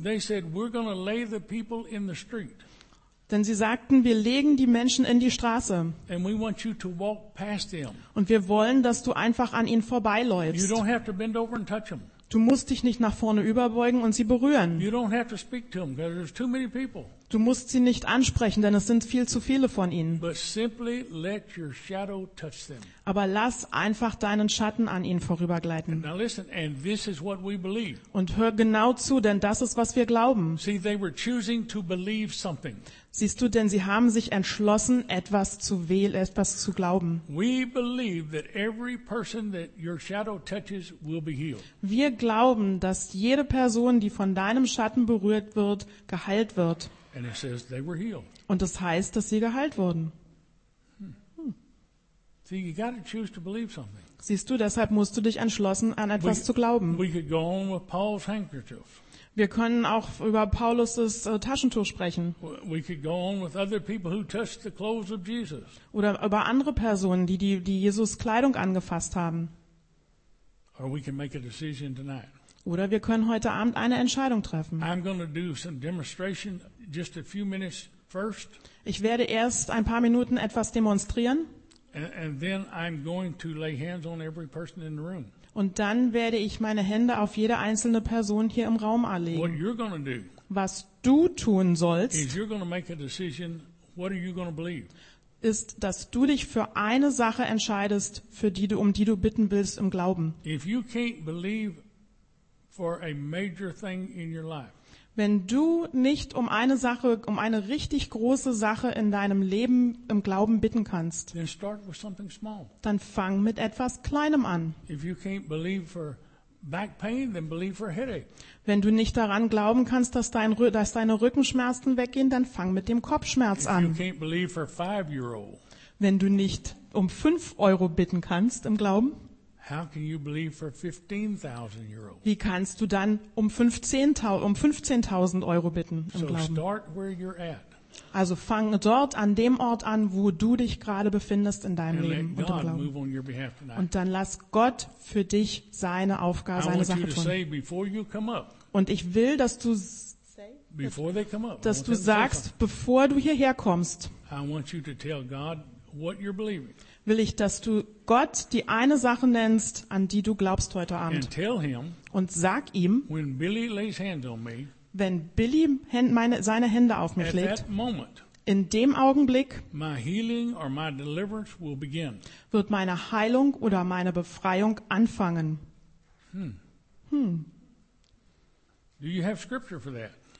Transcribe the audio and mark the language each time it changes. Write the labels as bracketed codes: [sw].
[en] They said, we're gonna lay the people in the street. [de] Denn sie sagten, wir legen die Menschen in die Straße. [en] And we want you to walk past them. [de] Und wir wollen, dass du einfach an ihnen vorbeiläufst. [en] You don't have to bend over and touch them. [de] Du musst dich nicht nach vorne überbeugen und sie berühren. [en] You don't have to speak to them, 'cause there's too many people. [de] Du musst sie nicht ansprechen, denn es sind viel zu viele von ihnen. [en] But simply let your shadow touch them. [de] Aber lass einfach deinen Schatten an ihnen vorübergleiten. [en] And now listen, and this is what we believe. [de] Und hör genau zu, denn das ist, was wir glauben. [en] See, they were choosing to believe something. [de] Siehst du, denn sie haben sich entschlossen, etwas zu glauben. [en] We believe that every person that your shadow touches will be healed. [de] Wir glauben, dass jede Person, die von deinem Schatten berührt wird, geheilt wird. [en] And it says they were healed. [de] Und das heißt, dass sie geheilt wurden. [en] See, you gotta choose to believe something. [de] Siehst du, deshalb musst du dich entschlossen, an etwas zu glauben. [en] We could go on with Paul's handkerchief. [de] Wir können auch über Paulus' Taschentuch sprechen. [en] We could go on with other people who touched the clothes of Jesus. [de] Oder über andere Personen, die Jesus' Kleidung angefasst haben. [en] Or we can make a decision tonight. [de] Oder wir können heute Abend eine Entscheidung treffen. [en] I'm gonna do some demonstration. Just a few minutes first. [de] Ich werde erst ein paar Minuten etwas demonstrieren. [en] And then I'm going to lay hands on every person in the room. [de] Und dann werde ich meine Hände auf jede einzelne Person hier im Raum anlegen. [en] What you're going to do? [de] Was du tun sollst? [en] Is you're going to make a decision. What are you going to believe? [de] Ist, dass du dich für eine Sache entscheidest, um die du bitten willst im Glauben. [en] If you can't believe for a major thing in your life. [de] Wenn du nicht um eine richtig große Sache in deinem Leben im Glauben bitten kannst, [en] then start with something small. [de] Dann fang mit etwas Kleinem an. [en] If you can't believe for back pain, then believe for headache. [de] Wenn du nicht daran glauben kannst, dass deine Rückenschmerzen weggehen, dann fang mit dem Kopfschmerz an. [en] If you can't believe for 5-year-old, [de] wenn du nicht um 5 Euro bitten kannst im Glauben, [en] how can you believe for 15,000 euros? [de] Wie kannst du dann um 15,000 Euro bitten im Glauben? [en] So start where you're at. [de] Also fange dort an dem Ort an, wo du dich gerade befindest in deinem Leben und im Glauben. [en] Move on your behalf tonight. [de] Und dann lass Gott für dich seine Aufgabe, seine Sache tun. [en] Say, before you come up, [de] und ich will, dass du [en] before they come up, [de] dass du sagst, bevor du hierher kommst, [en] I want you to tell God what you're believing. [de] Will ich, dass du Gott die eine Sache nennst, an die du glaubst heute Abend. [en] And tell him, [de] und sag ihm, [en] when Billy lays hands on me, [de] Wenn Billy seine Hände auf mich legt, [en] moment, [de] in dem Augenblick [en] my healing or my deliverance will begin. [de] Wird meine Heilung oder meine Befreiung anfangen. [en] Do you have scripture for that?